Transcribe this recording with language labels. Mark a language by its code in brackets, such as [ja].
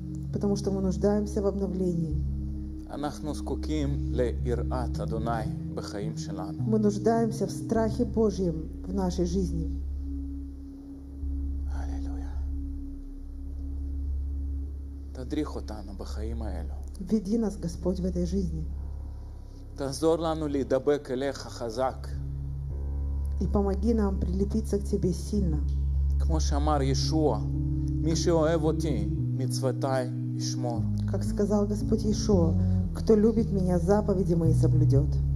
[ru] Потому что мы нуждаемся в обновлении. Мы нуждаемся в страхе Божьем в нашей жизни. Аллилуйя. Веди нас, Господь, в этой жизни. [he] תעזור לנו להידבק אליך חזק. [ru] И помоги нам прилепиться к тебе сильно. [he] כמו שאמר ישוע, מי שאוהב אותי, מצוותיי ישמור. [ru] Как сказал Господь Иешуа, кто любит меня, заповеди мои соблюдет.